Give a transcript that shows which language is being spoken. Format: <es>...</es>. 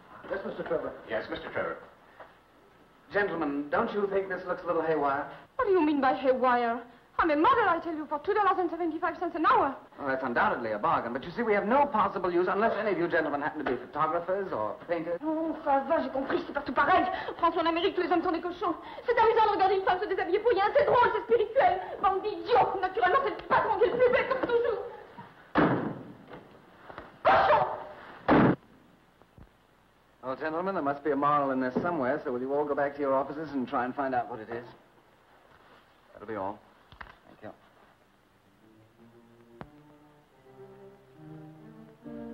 <en>Yes, Mr. Trevor. Yes, Mr. Trevor. Gentlemen, don't you think this looks a little haywire? What do you mean by haywire? I'm a model, I tell you, for $2.75 an hour. Well, that's undoubtedly a bargain. But you see, we have no possible use unless any of you gentlemen happen to be photographers or painters.</en> <fr>Oh, ça va, j'ai compris, c'est partout pareil. France en Amérique, tous les hommes sont des cochons. C'est amusant de regarder une femme se déshabiller pour rien. C'est drôle, c'est spirituel. Bande d'idiots. Naturellement, c'est le patron qui est le plus bête comme toujours.</fr> <en>Well, gentlemen, there must be a moral in this somewhere, so will you all go back to your offices and try and find out what it is? That'll be all. Thank you.</en>